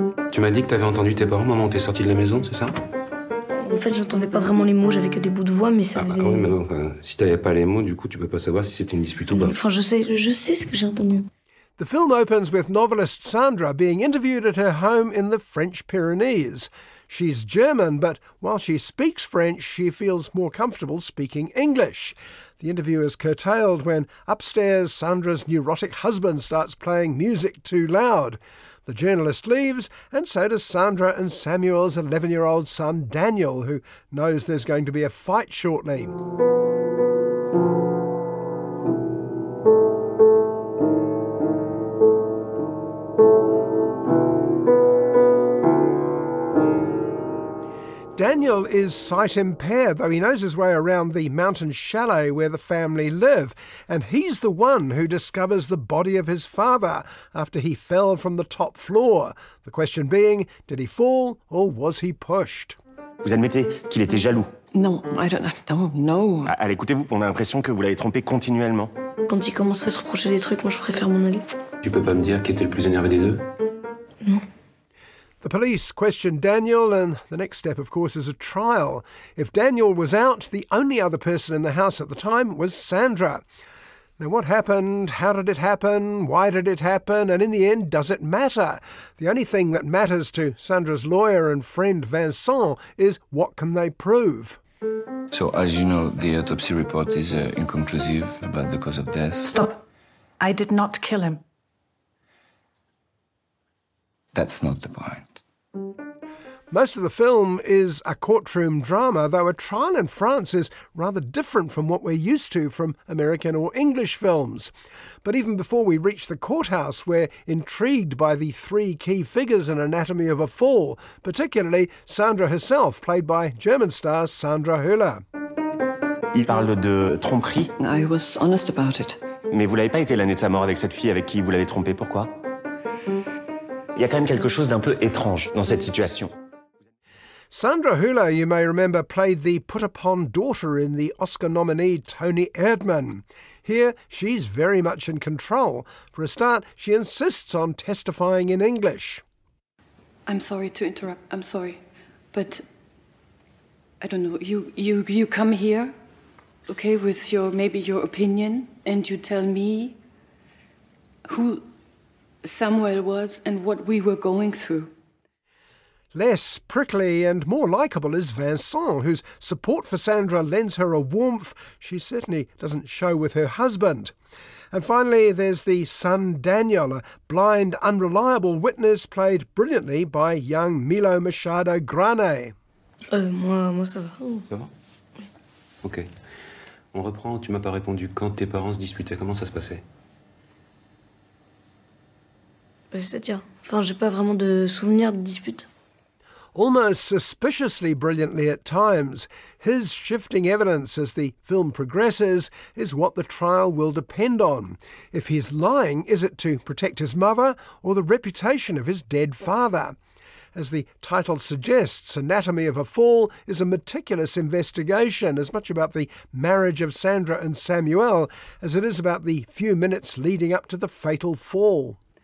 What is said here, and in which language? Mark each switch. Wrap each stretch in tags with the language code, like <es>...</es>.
<fr>Tu m'as dit que t'avais entendu tes parents, maman, t'es sortie de la maison, c'est ça? En fait, j'entendais pas vraiment les mots, j'avais que des bouts de voix, mais ça faisait... Ah oui, mais non, si t'avais pas les mots, du coup, tu peux pas savoir si c'était une dispute ou pas. Enfin, je sais ce que j'ai entendu.</fr> <en>The film opens with novelist Sandra being interviewed at her home in the French Pyrenees. She's German, but while she speaks French, she feels more comfortable speaking English. The interview is curtailed when, upstairs, Sandra's neurotic husband starts playing music too loud. The journalist leaves, and so does Sandra and Samuel's 11-year-old son, Daniel, who knows there's going to be a fight shortly. Daniel is sight impaired, though he knows his way around the mountain chalet where the family live, and he's the one who discovers the body of his father after he fell from the top floor. The question being, did he fall or was he pushed?</en> <fr>Vous admettez qu'il était jaloux?</fr> <en>Non, I don't know.</en> <fr>Allez, écoutez-vous, on a l'impression que vous l'avez trompé continuellement. Quand il commence à se reprocher des trucs, moi je préfère m'en aller. Tu peux pas me dire qui était le plus énervé des deux? Non.</fr> <en>The police question Daniel, and the next step, of course, is a trial. If Daniel was out, the only other person in the house at the time was Sandra. Now, what happened? How did it happen? Why did it happen? And in the end, does it matter? The only thing that matters to Sandra's lawyer and friend Vincent is what can they prove? So, as you know, the autopsy report is inconclusive about the cause of death. Stop. I did not kill him. That's not the point. Most of the film is a courtroom drama, though a trial in France is rather different from what we're used to from American or English films. But even before we reach the courthouse, we're intrigued by the three key figures in Anatomy of a Fall, particularly Sandra herself, played by German star Sandra Hüller.</en> <fr>Il parle de tromperie.</fr> <en>I was honest about it.</en> <fr>Mais vous l'avez pas été l'année de sa mort avec cette fille avec qui vous l'avez trompé, pourquoi? Il y a quand même quelque chose d'un peu étrange dans cette situation.</fr> <en>Sandra Hüller, you may remember, played the put-upon daughter in the Oscar-nominated Toni Erdmann. Here, she's very much in control. For a start, she insists on testifying in English. I'm sorry to interrupt. I'm sorry. But, I don't know, you come here, okay, with your maybe your opinion, and you tell me who... Samuel was, and what we were going through. Less prickly and more likeable is Vincent, whose support for Sandra lends her a warmth she certainly doesn't show with her husband. And finally, there's the son Daniel, a blind, unreliable witness played brilliantly by young Milo Machado Grané.</en> <fr>Moi, ça va. Ça va? Oui. Ok. On reprend, tu m'as pas répondu quand tes parents se disputaient, comment ça se passait? C'est-à-dire, enfin, j'ai pas vraiment de souvenirs de dispute.</fr> <en>Almost suspiciously brilliantly at times, his shifting evidence as the film progresses is what the trial will depend on. If he's lying, is it to protect his mother or the reputation of his dead father? As the title suggests, Anatomy of a Fall is a meticulous investigation, as much about the marriage of Sandra and Samuel as it is about the few minutes leading up to the fatal fall.</en>